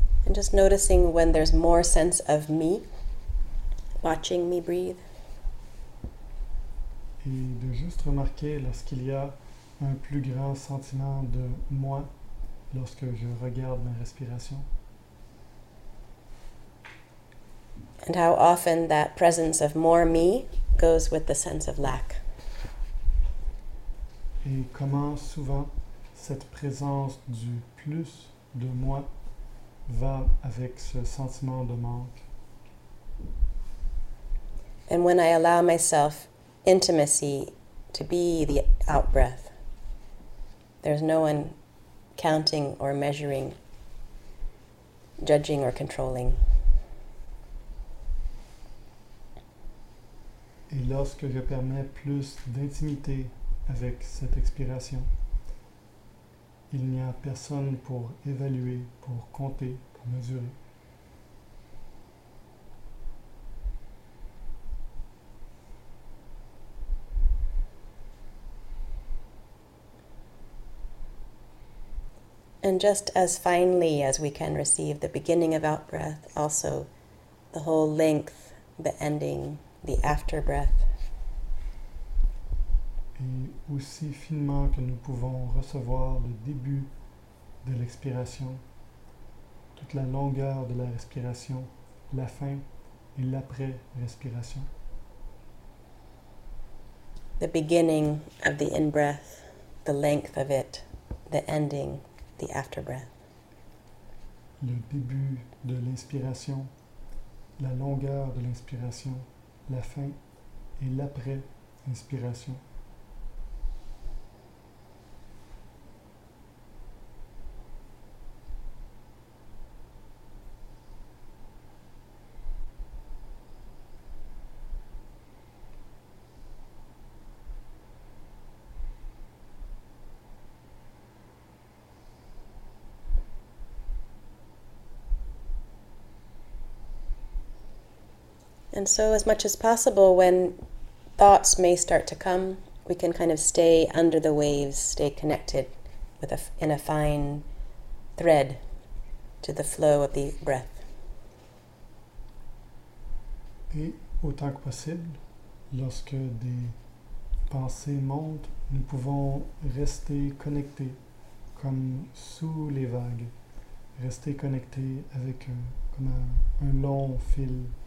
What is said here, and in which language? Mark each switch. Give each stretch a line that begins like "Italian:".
English: Just noticing when there's more sense of me, watching me breathe.
French: Et de juste remarquer lorsqu'il y a un plus grand sentiment de moi lorsque je regarde ma respiration.
English: And how often that presence of more me goes with the sense of lack.
French: Et comment souvent cette présence du plus de moi va avec ce sentiment de manque.
English: And when I allow myself intimacy to be the out-breath, there's no one counting or measuring, judging or controlling.
French: Et lorsque je permets plus d'intimité avec cette expiration, il n'y a personne pour évaluer, pour compter, pour mesurer.
English: And just as finely as we can receive the beginning of out-breath, also the whole length, the ending, the after-breath.
French: Et aussi finement que nous pouvons recevoir le début de l'expiration, toute la longueur de la respiration, la fin et l'après-respiration.
English: The beginning of the in-breath, the length of it, the ending, the after-breath.
French: le début de l'inspiration, la longueur de l'inspiration, la fin et l'après-inspiration.
English: And so, as much as possible, when thoughts may start to come, we can kind of stay under the waves, stay connected with in a fine thread to the flow of the breath.
French: Et autant que possible, lorsque des pensées montent, nous pouvons rester connectés comme sous les vagues, rester connectés avec comme un long fil.